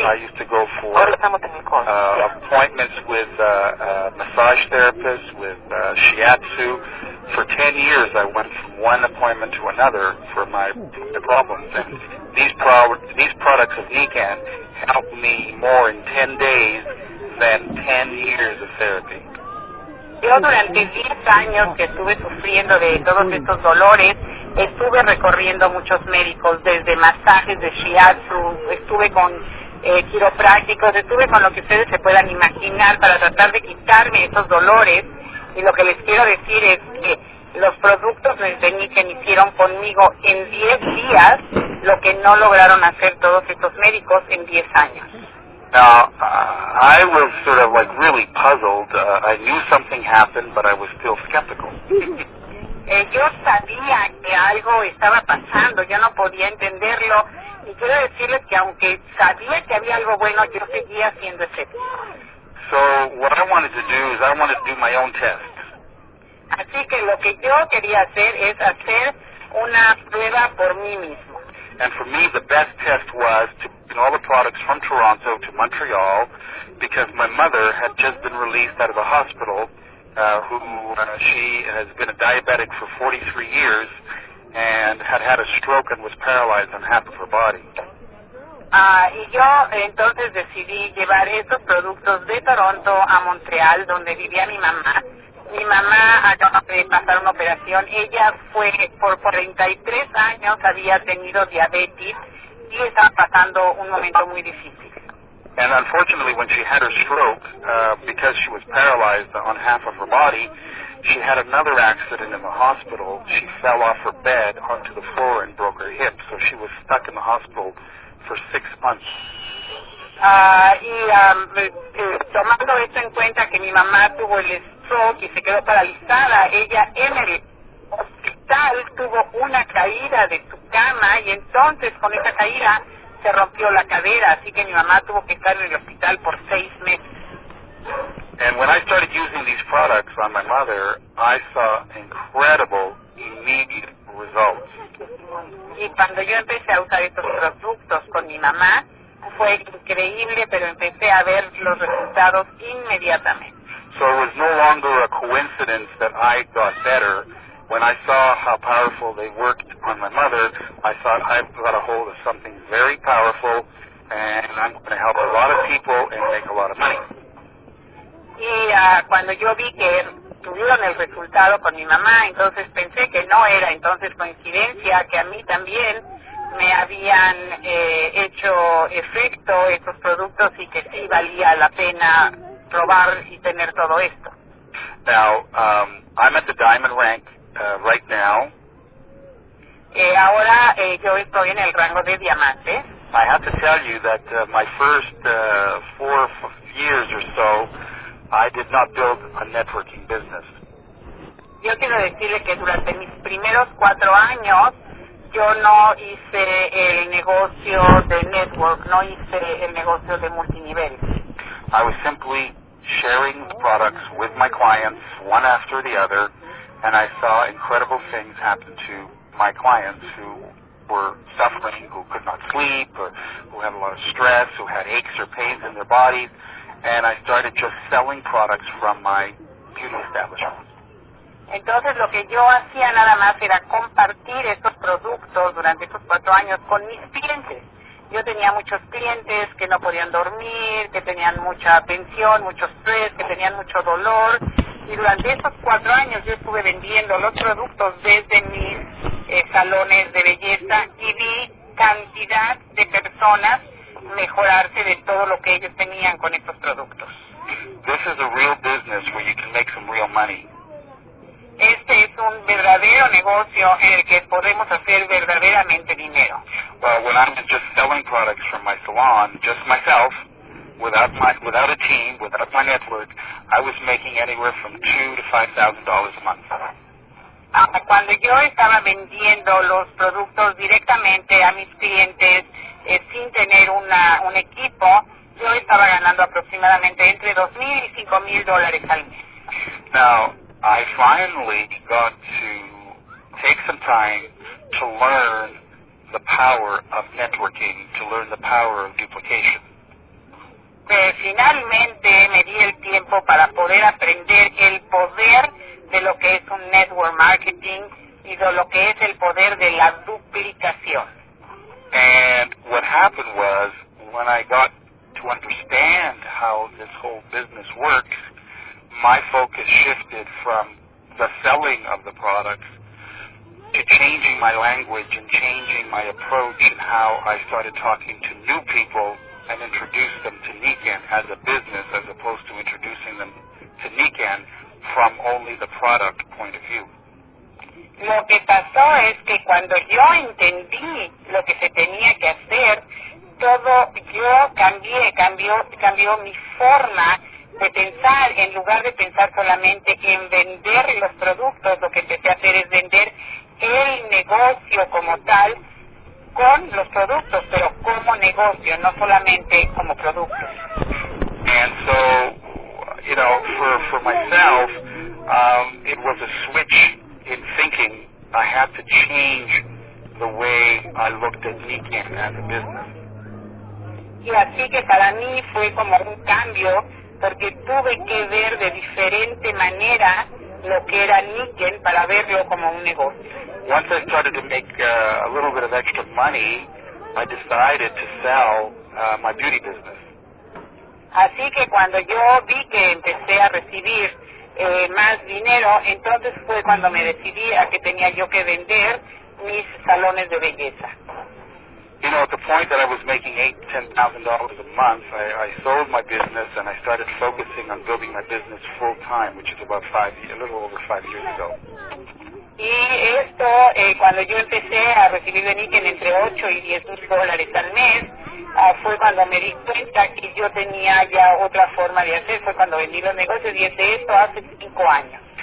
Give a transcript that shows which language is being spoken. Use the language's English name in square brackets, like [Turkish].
[English] I used to go for appointments with massage therapists, with shiatsu. For 10 years, I went from one appointment to another for the problems. And these products of Nikan helped me more in 10 days than 10 years of therapy. [Spanish] Yo durante 10 años que estuve sufriendo de todos estos dolores, estuve recorriendo muchos médicos, desde masajes de shiatsu, estuve con quiroprácticos, estuve con lo que ustedes se puedan imaginar para tratar de quitarme esos dolores. Y lo que les quiero decir es que los productos de Nikan hicieron conmigo en 10 días lo que no lograron hacer todos estos médicos en 10 años. [English] Now, I was sort of like really puzzled. I knew something happened, but I was still skeptical. [Spanish] Yo sabía que algo estaba pasando, yo no podía entenderlo. Y quiero decirles que aunque sabía que había algo bueno, yo seguía siendo escéptico. [English] So, what I wanted to do is I wanted to do my own test. [Spanish] Así que lo que yo quería hacer es hacer una prueba por mí mismo. [English] And for me, the best test was to bring all the products from Toronto to Montreal because my mother had just been released out of a hospital. She has been a diabetic for 43 years and had a stroke and was paralyzed on half of her body. [Spanish] Y yo entonces decidí llevar esos productos de Toronto a Montreal, donde vivía mi mamá. Mi mamá acaba de pasar una operación. Ella fue, por 43 años había tenido diabetes y estaba pasando un momento muy difícil. [English] And unfortunately, when she had her stroke, because she was paralyzed on half of her body, she had another accident in the hospital. She fell off her bed onto the floor and broke her hip. So she was stuck in the hospital for 6 months. [Spanish] Tomando esto en cuenta que mi mamá tuvo el stroke y se quedó paralizada, ella en el hospital tuvo una caída de su cama y entonces con esa caída se rompió la cadera, así que mi mamá tuvo que estar en el hospital por 6 meses. [English] And when I started using these products on my mother, I saw incredible immediate results. [Spanish] Y cuando yo empecé a usar estos productos con mi mamá, fue increíble, pero empecé a ver los resultados inmediatamente. [English] So it was no longer a coincidence that I got better. When I saw how powerful they worked on my mother, I thought I've got a hold of something very powerful, and I'm going to help a lot of people and make a lot of money. [Spanish] Y cuando yo vi que tuvieron el resultado con mi mamá, entonces pensé que no era entonces coincidencia que a mí también me habían hecho efecto estos productos y que sí valía la pena probar y tener todo esto. [English] Now, I'm at the diamond rank. Right now, [Spanish] ahora yo estoy en el rango de diamante. [English] I have to tell you that my first 4 years or so, I did not build a networking business. [Spanish] Yo quiero decirle que durante mis primeros 4 años, yo no hice el negocio de network, no hice el negocio de multinivel. [English] I was simply sharing products with my clients, one after the other. And I saw incredible things happen to my clients who were suffering, who could not sleep, or who had a lot of stress, who had aches or pains in their bodies. And I started just selling products from my beauty establishment. [Spanish] Entonces, lo que yo hacía nada más era compartir estos productos durante estos 4 años con mis clientes. Yo tenía muchos clientes que no podían dormir, que tenían mucha tensión, mucho estrés, que tenían mucho dolor. Y durante esos 4 años yo estuve vendiendo los productos desde mis salones de belleza y vi cantidad de personas mejorarse de todo lo que ellos tenían con estos productos. [English] This is a real business where you can make some real money. [Spanish] Este es un verdadero negocio en el que podemos hacer verdaderamente dinero. [English] Well, when I'm just selling products from my salon, just myself, without a team, without my network, I was making anywhere from $2,000 to $5,000 a month. [Spanish] Cuando yo estaba vendiendo enviando los productos directamente a mis clientes sin tener un equipo, yo estaba ganando aproximadamente entre $2,000 y $5,000 al mes. [English] Now, I finally got to take some time to learn the power of networking, to learn the power of duplication. [Spanish] Finalmente me di el tiempo para poder aprender el poder de lo que es un network marketing y de lo que es el poder de la duplicación. [English] And what happened was, when I got to understand how this whole business works, my focus shifted from the selling of the products to changing my language and changing my approach and how I started talking to new people and introduce them to Nikan as a business, as opposed to introducing them to Nikan from only the product point of view. [Spanish] Lo que pasó es que cuando yo entendí lo que se tenía que hacer, todo yo cambió mi forma de pensar. En lugar de pensar solamente en vender los productos, lo que empecé a hacer es vender el negocio como tal, con los productos, pero como negocio, no solamente como producto. [English] And so, you know, for myself, it was a switch in thinking. I had to change the way I looked at Nikan as a business. [Spanish] Y así que para mí fue como un cambio, porque tuve que ver de diferente manera lo que era Nikan para verlo como un negocio. [English] Once I started to make a little bit of extra money, I decided to sell my beauty business. [Spanish] Así que cuando yo vi que empecé a recibir más dinero, entonces fue cuando me decidí a que tenía yo que vender mis salones de belleza. [English] You know, at the point that I was making $8,000 to $10,000 a month, I sold my business and I started focusing on building my business full time, which is about a little over five years ago. [Spanish] Y esto, cuando yo empecé a recibir de Nikan entre $8,000 y $10,000 al mes, fue cuando me di cuenta que yo tenía ya otra forma de hacer, fue cuando vendí los negocios, y hice esto hace 5 años.